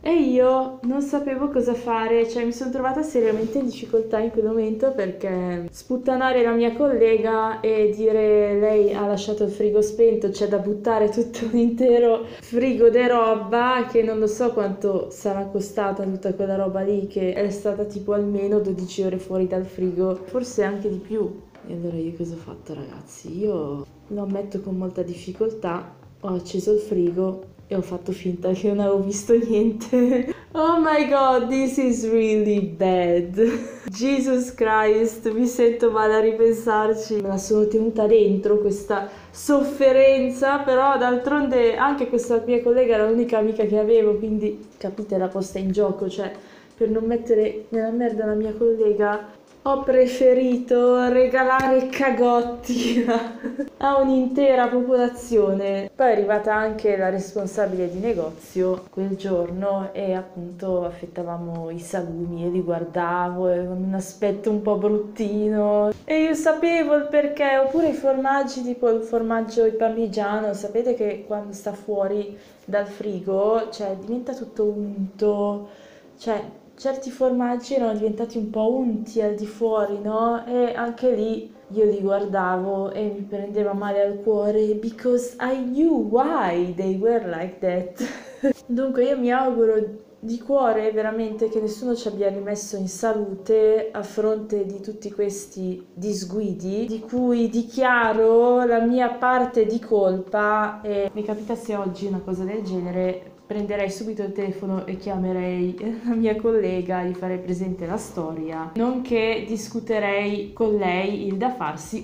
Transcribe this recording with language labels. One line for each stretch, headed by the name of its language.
Italian: E io non sapevo cosa fare, cioè mi sono trovata seriamente in difficoltà in quel momento perché sputtanare la mia collega e dire lei ha lasciato il frigo spento, c'è da buttare tutto un intero frigo di roba, che non lo so quanto sarà costata tutta quella roba lì, che è stata tipo almeno 12 ore fuori dal frigo, forse anche di più. E allora io cosa ho fatto, ragazzi? Io lo ammetto con molta difficoltà, ho acceso il frigo e ho fatto finta che non avevo visto niente.
English: Oh my god, this is really bad.
Italian: Jesus Christ, mi sento male a ripensarci. Me la sono tenuta dentro questa sofferenza, però d'altronde anche questa mia collega era l'unica amica che avevo, quindi capite la posta in gioco, cioè per non mettere nella merda la mia collega. Ho preferito regalare cagotti a un'intera popolazione. Poi è arrivata anche la responsabile di negozio quel giorno e appunto affettavamo i salumi e li guardavo con un aspetto un po' bruttino. E io sapevo il perché, oppure i formaggi, tipo il formaggio, il parmigiano, sapete che quando sta fuori dal frigo, cioè diventa tutto unto, cioè certi formaggi erano diventati un po' unti al di fuori, no? E anche lì io li guardavo e mi prendeva male al cuore,
English: because I knew why they were like that.
Italian: Dunque, io mi auguro di cuore veramente che nessuno ci abbia rimesso in salute a fronte di tutti questi disguidi, di cui dichiaro la mia parte di colpa. E mi capitasse oggi una cosa del genere, prenderei subito il telefono e chiamerei la mia collega, gli farei presente la storia, nonché discuterei con lei il da farsi.